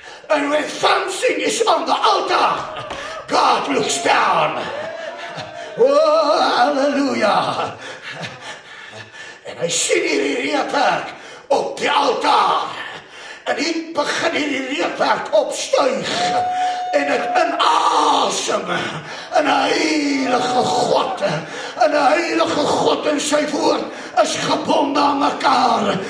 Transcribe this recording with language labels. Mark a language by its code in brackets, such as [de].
[en] And when something is on the altar, God looks down. Oh, hallelujah. [af] En hy sien hierdie reukwerk op die altaar. En hy begin hierdie reukwerk opstuig. En het inasem in een heilige God. En een heilige God in sy woord is gebonden aan mekaar.